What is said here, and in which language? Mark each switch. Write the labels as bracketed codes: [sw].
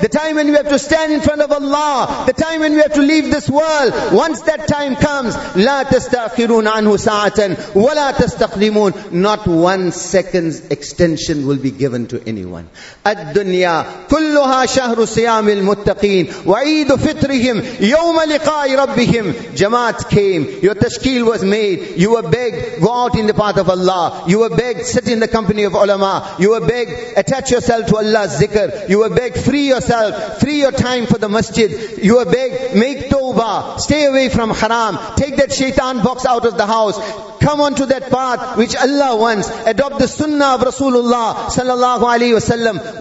[en] The time when we have to stand in front of Allah. The time when we have to leave this world. Once that time comes, [ar] لَا تَسْتَغْفِرُونَ عَنْهُ سَاعَةً وَلَا تَسْتَقْدِمُونَ. [en] Not 1 second's extension will be given to anyone. [ar] الدُّنْيَا كُلُّهَا شَهْرُ صِيَامِ الْمُتَّقِينَ. وعيد فطرهم يوم لقاء ربهم. [en] Jamaat came, your tashkeel was made, you were begged, go out in the path of Allah, you were begged, sit in the company of ulama, you were begged, attach yourself to Allah's zikr, you were begged, free yourself, free your time for the masjid, you were begged, make tawbah, stay away from haram, take that shaitan box out of the house, come on to that path which Allah wants, adopt the sunnah of Rasulullah sallallahu alayhi wasallam.